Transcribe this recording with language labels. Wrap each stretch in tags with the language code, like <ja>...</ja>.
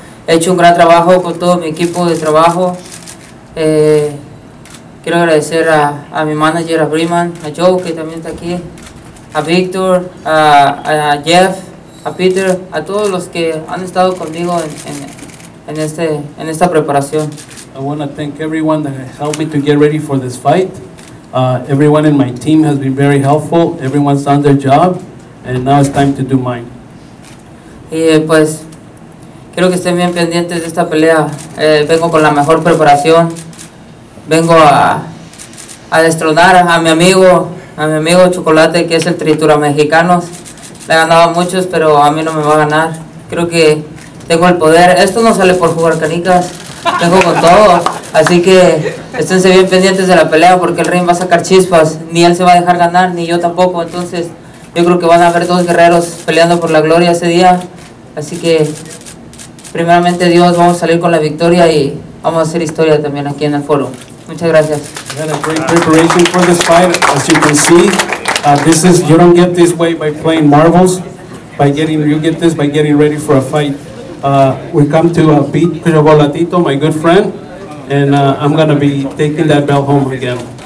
<es>He hecho un gran trabajo con todo mi equipo de trabajo. Quiero agradecer a mi manager, a Briman, a Joe, que también está aquí, a Victor, a Jeff, a Peter, a todos los que han estado conmigo en esta preparación. I want to thank everyone that helped me to get ready for this fight. Everyone in my team has been very helpful. Everyone's done their job, and now it's time to do mine. Y pues quiero que estén bien pendientes de esta pelea. Vengo con la mejor preparación. Vengo a destronar a mi amigo Chocolate, que es el tritura mexicano. Le ha ganado a muchos, pero a mí no me va a ganar. Creo que tengo el poder. Esto no sale por jugar canicas. Vengo con todo. Así que esténse bien pendientes de la pelea porque el ring va a sacar chispas. Ni él se va a dejar ganar, ni yo tampoco. Entonces, yo creo que van a haber dos guerreros peleando por la gloria ese día. Así que, primeramente Dios, vamos a salir con la victoria y vamos a hacer historia también aquí en el foro. Muchas gracias.</es> <en>We had a great preparation for this fight. As you can see, you don't get this way by playing marbles. You get this by getting ready for a fight. We come to beat Chocolatito, my good friend. And I'm going to be taking that belt home again.</en>